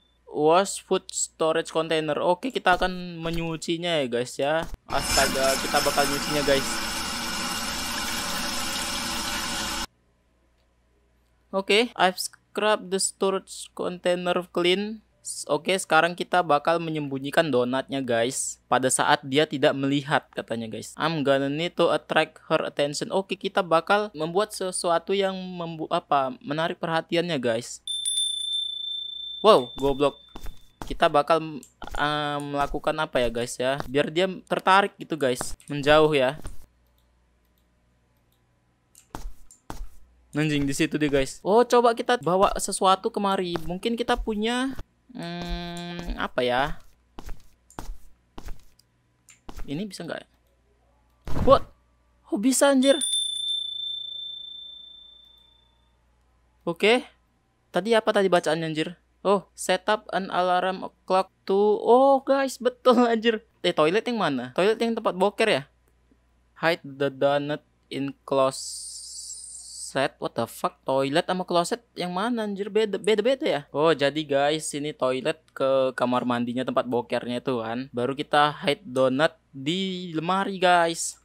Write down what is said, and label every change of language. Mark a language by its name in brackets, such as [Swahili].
[English] Wash food storage container. [Indonesian] Oke, kita akan menyucinya ya, guys, ya. Astaga, kita bakal nyucinya, guys. [English] Oke, I've scrubbed the storage container clean. [Indonesian] Oke, sekarang kita bakal menyembunyikan donatnya, guys. Pada saat dia tidak melihat, katanya, guys. [English] I'm gonna need to attract her attention. [Indonesian] Oke, kita bakal membuat sesuatu yang menarik perhatiannya, guys. Wow, goblok. Kita bakal melakukan apa ya, guys, ya? Biar dia tertarik gitu, guys. Menjauh, ya. Anjing, di situ dia, guys. Oh, coba kita bawa sesuatu kemari. Mungkin kita punya apa ya? Ini bisa nggak? [English] What? [Indonesian] Oh, bisa, anjir. Oke. Tadi apa tadi bacaannya, anjir? [English] Oh, set up an alarm clock to... [Indonesian] Oh, guys, betul, anjir. Eh, toilet yang mana? Toilet yang tempat boker, ya? [English] Hide the donut in closet. What the fuck? [Indonesian] Toilet sama closet yang mana, anjir? Beda-beda, ya? Oh, jadi, guys, ini toilet ke kamar mandinya tempat bokernya itu, kan? Baru kita [English] hide donut [Indonesian] di lemari, guys.